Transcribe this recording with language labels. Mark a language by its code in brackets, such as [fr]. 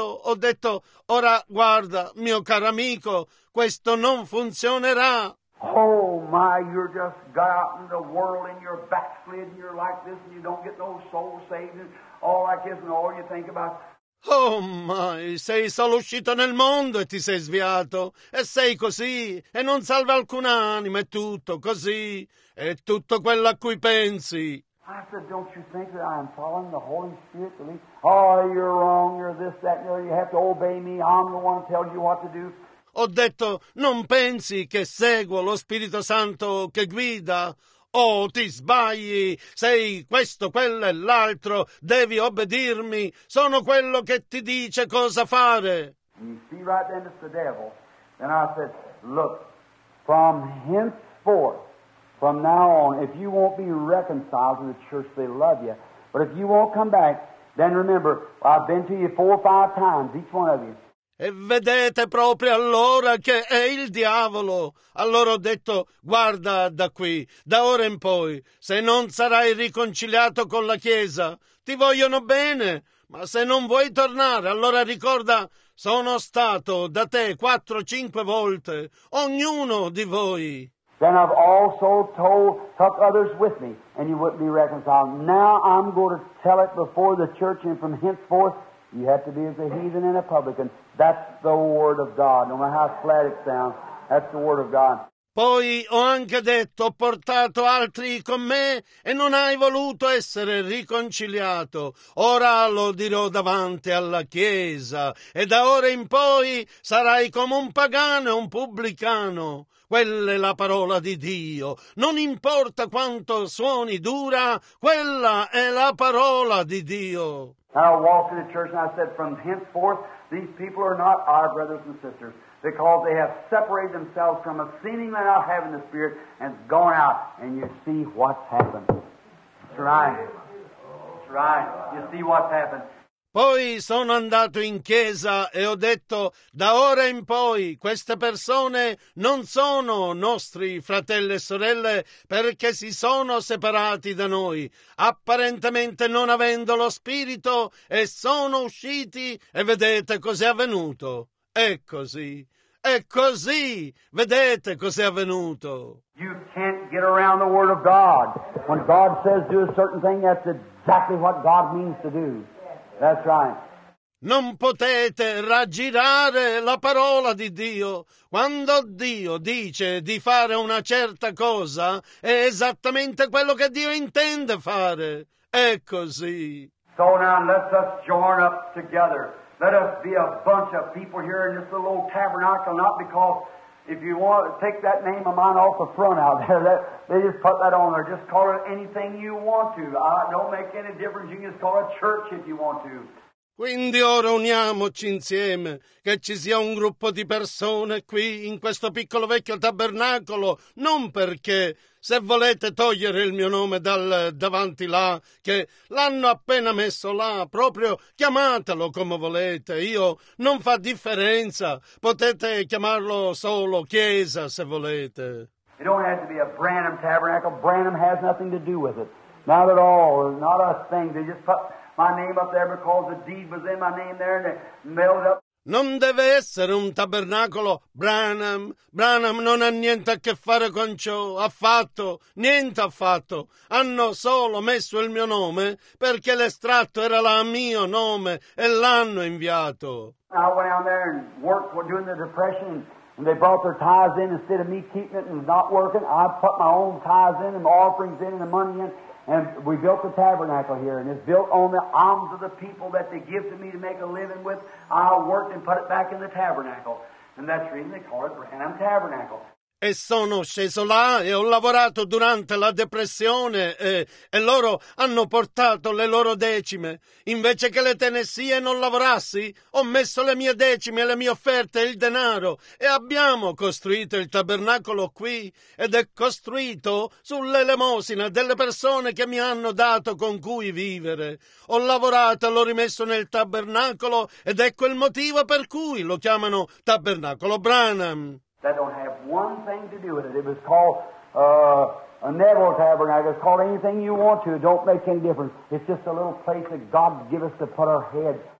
[it] Ho detto, ora guarda, mio caro amico, questo non funzionerà. [en] Oh my, you're just got out in the world and you're backslid and you're like this and you don't get no soul saved and all like this and all you think about. [it] Oh my, sei solo uscito nel mondo e ti sei sviato e sei così e non salva alcuna anima, è tutto così, è tutto quello a cui pensi. [en] I said, don't you think that I'm following the Holy Spirit? Oh, you're wrong, you're this, that, you know, you have to obey me, I'm the one who tells you what to do. [it] Ho detto, non pensi che seguo lo Spirito Santo che guida? Oh, ti sbagli, sei questo, quello e l'altro, devi obbedirmi, sono quello che ti dice cosa fare. [en] You see right then it's the devil. And I said, look, from henceforth, from now on, if you won't be reconciled to the church, they love you. But if you won't come back, then remember, I've been to you 4 or 5 times, each one of you. [it] E vedete proprio allora che è il diavolo. Allora ho detto, guarda da qui, da ora in poi, se non sarai riconciliato con la Chiesa, ti vogliono bene, ma se non vuoi tornare, allora ricorda, sono stato da te 4 [en] or [it] 5 volte, ognuno di voi. [en] Then I've also told, took others with me, and you wouldn't be reconciled. Now I'm going to tell it before the church, and from henceforth, you have to be as a heathen and a publican. That's the word of God. No matter how flat it sounds, that's the word of God. [it] Poi ho anche detto, ho portato altri con me e non hai voluto essere riconciliato. Ora lo dirò davanti alla Chiesa e da ora in poi sarai come un pagano e un pubblicano. Quella è la parola di Dio. Non importa quanto suoni dura, quella è la parola di Dio. [en] And I walked to the church and I said, from henceforth, these people are not our brothers and sisters because they have separated themselves from us, seemingly not having the Spirit, and gone out. And you see what's happened. That's right. That's right. You see what's happened. [it] Poi sono andato in chiesa e ho detto, da ora in poi queste persone non sono nostri fratelli e sorelle perché si sono separati da noi, apparentemente non avendo lo spirito e sono usciti e vedete cos'è avvenuto. È così, vedete cos'è avvenuto. [en] You can't get around the word of God. When God says do a certain thing, that's exactly what God means to do. That's right. [it] Non potete raggirare la parola di Dio. Quando Dio dice di fare una certa cosa, è esattamente quello che Dio intende fare. È così. [en] So now let us join up together. Let us be a bunch of people here in this little old tabernacle, not because if you want to take that name of mine off the front out there, that, they just put that on there. Just call it anything you want to. Don't make any difference. You can just call it church if you want to. [it] Quindi ora uniamoci insieme, che ci sia un gruppo di persone qui in questo piccolo vecchio tabernacolo, non perché se volete togliere il mio nome dal davanti là, che l'hanno appena messo là, proprio chiamatelo come volete, io non fa differenza, potete chiamarlo solo chiesa se volete. [en] It don't have to be a Branham tabernacle. Branham has nothing to do with it. Not at all. Not a thing. They just put my name up there because the deed was in my name there and it melted up. [it] Non deve essere un tabernacolo Branham. Branham non ha niente a che fare con ciò, affatto, niente affatto. Hanno solo messo il mio nome perché l'estratto era il mio nome e l'hanno inviato. [en] I went out there and worked for doing the depression and they brought their tithes in instead of me keeping it and not working. I put my own tithes in and offerings in and the money in. And we built the tabernacle here, and it's built on the alms of the people that they give to me to make a living with. I worked and put it back in the tabernacle. And that's the reason they call it Branham Tabernacle. [it] E sono sceso là e ho lavorato durante la depressione e loro hanno portato le loro decime. Invece che le tenessie non lavorassi, ho messo le mie decime, le mie offerte e il denaro e abbiamo costruito il tabernacolo qui ed è costruito sull'elemosina delle persone che mi hanno dato con cui vivere. Ho lavorato e l'ho rimesso nel tabernacolo ed ecco il motivo per cui lo chiamano Tabernacolo Branham. [en] That don't have one thing to do with it. It was called a Neville Tabernacle. It's called anything you want to. It don't make any difference. It's just a little place that God gave us to put our head.